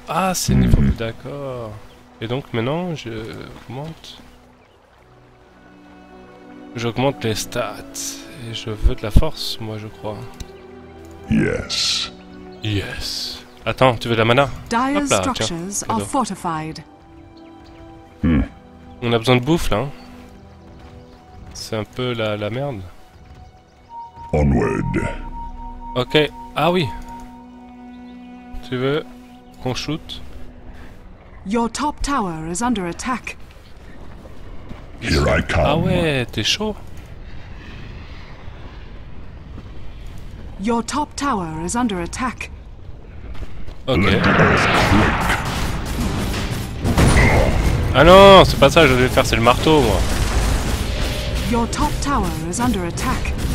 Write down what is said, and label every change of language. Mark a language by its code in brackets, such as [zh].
[fr] Ah, c'est niveau plus, d'accord. Et donc maintenant, je. Augmente. J'augmente les stats. Et je veux de la force, moi, je crois. [en] Yes. Yes. [fr] Attends, tu veux de la mana? [en] Dire structures are fortified. [fr] On a besoin de bouffe là. Hein. C'est un peu la merde. [en] Onward. [fr] Ok. Ah oui. Tu veux qu'on shoot? [en] Your top tower is under attack. Here I come. [fr] Ah ouais, t'es chaud. [en] Your top tower is under attack. [fr] Ok. Ah non, c'est pas ça que je devais faire, c'est le marteau, moi. [en] Your top tower is under attack.